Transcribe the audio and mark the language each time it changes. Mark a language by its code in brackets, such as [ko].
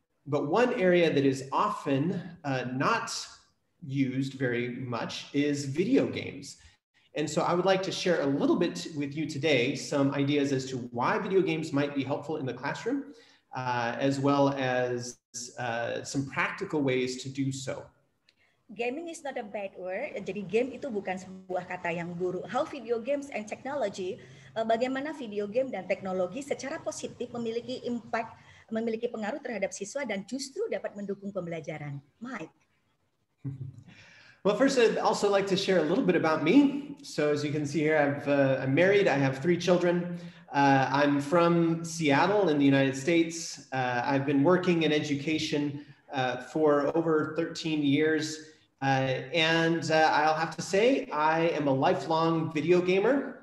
[en] But one area that is often not used very much is video games. And so I would like to share a little bit with you today some ideas as to why video games might be helpful in the classroom, as well as some practical ways to do so. Gaming is not a bad word. [id] Jadi game itu bukan sebuah kata yang buruk. [en] How video games and technology, [id] bagaimana video game dan teknologi secara positif memiliki impact, memiliki pengaruh terhadap siswa dan justru dapat mendukung pembelajaran. [en] Mike. Well, first, I'd also like to share a little bit about me. So as you can see here, I'm married. I have 3 children. I'm from Seattle in the United States. I've been working in education for over 13 years. I'll have to say, I am a lifelong video gamer.